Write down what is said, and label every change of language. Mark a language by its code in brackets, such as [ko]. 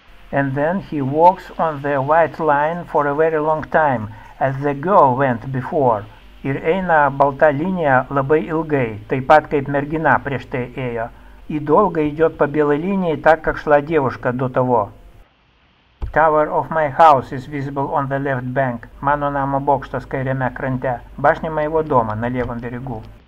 [en] And then he walks on the white line for a very long time, as the girl went before. [lt] Ir eina balta linija labai ilgai, taip pat kaip mergina prieš tai ėjo. [ru] И долго идет по белой линии, так как шла девушка до того. [en] Tower of my house is visible on the left bank. [lt] Mano namo bokštas kairiame krante. [ru] Башня моего дома на левом берегу.